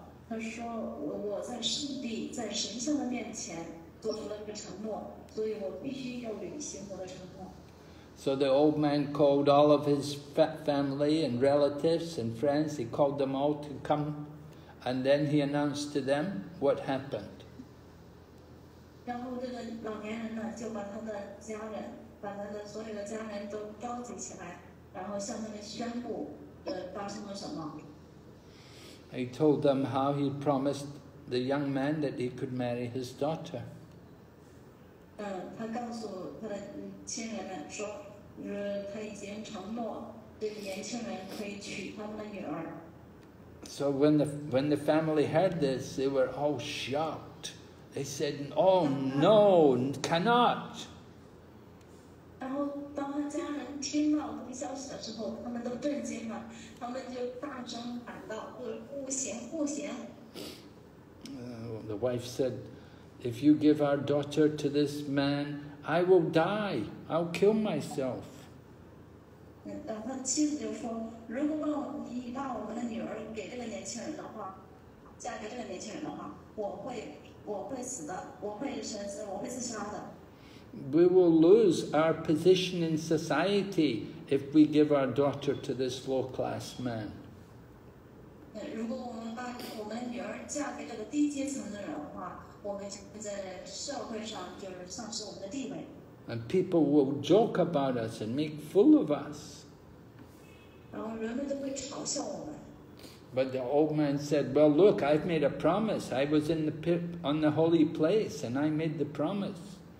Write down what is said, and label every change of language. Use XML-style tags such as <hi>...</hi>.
<zh>他说我在圣地，在神像的面前做出了一个承诺，所以我必须要履行我的承诺。</zh> <en>So the old man called all of his family and relatives and friends. He called them all to come, and then he announced to them what happened.</en> <zh>然后这个老年人呢，就把他的家人，把他的所有的家人都召集起来，然后向他们宣布，发生了什么。</zh> <en>He told them how he promised the young man that he could marry his daughter.</en> <zh>他告诉他的亲人们说，他已经承诺这个年轻人可以娶他们的女儿。</zh> <en>So when the family heard this, they were all shocked. They said, "Oh no, cannot."</en> <zh>然后当他家人听到这个消息的时候，他们都震惊了，他们就大声喊道，就是不行，不行。</zh> <en>The wife said, "If you give our daughter to this man, I will die. I'll kill myself."</en> <zh>他妻子就说，如果你把我们的女儿给这个年轻人的话，嫁给这个年轻人的话，我会死的，我会自杀的。</zh> <en>We will lose our position in society if we give our daughter to this low class man.</en> <zh>如果我们把我们女儿嫁给这个低阶层的人的话，我们就在社会上就是丧失我们的地位。</zh> <en>And people will joke about us and make fool of us. But the old man said, "Well, look, I've made a promise. I was in the pip on the holy place, and I made the promise."</en>